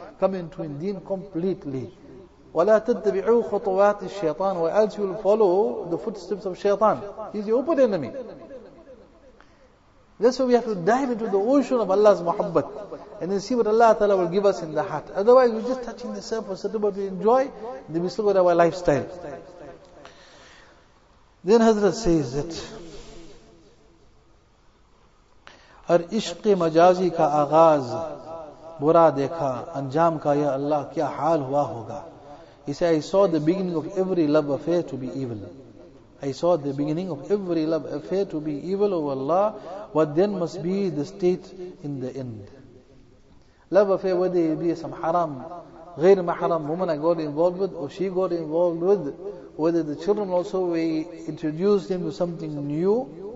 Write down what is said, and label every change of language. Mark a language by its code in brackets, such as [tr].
[en] Come into in deen completely. [ar] وَلَا تَتَّبِعُوا خُطُوَاتِ الشَّيْطَانِ [en] Or else you'll follow the footsteps of shaitan. He's your open enemy. That's why we have to dive into the ocean of Allah's muhabbat. And then see what Allah Ta'ala will give us in the heart. Otherwise we're just touching the surface. But we enjoy, then we still got our lifestyle. Then Hazrat says that, [ur] ہر عشق مجازی کا آغاز برا دیکھا انجام کا یا اللہ کیا حال ہوا ہوگا. [en] He said, I saw the beginning of every love affair to be evil. I saw the beginning of every love affair to be evil, O Allah. What then must be the state in the end? Love affair, whether it be some haram, غیر محرم, woman I got involved with, or she got involved with, whether the children also, we introduced them to something new.